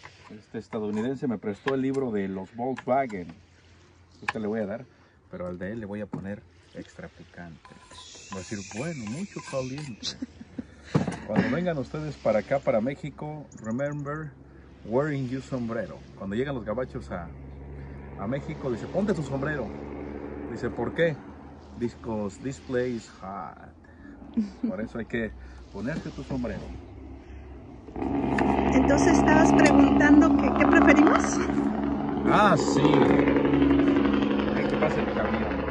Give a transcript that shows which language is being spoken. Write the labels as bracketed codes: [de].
[es] Este estadounidense me prestó el libro de los Volkswagen. Este le voy a dar, pero al de él le voy a poner extra picante. Va a decir, bueno, mucho caliente. Cuando vengan ustedes para acá, para México, [en] remember wearing your sombrero. [es] Cuando llegan los gabachos a México, dice, ponte tu sombrero. Dice, ¿por qué? [en] Because this place is hot. [es] Por eso hay que ponerte tu sombrero. Entonces estabas preguntando qué preferimos. Ah, sí. Hay que pasar el camino.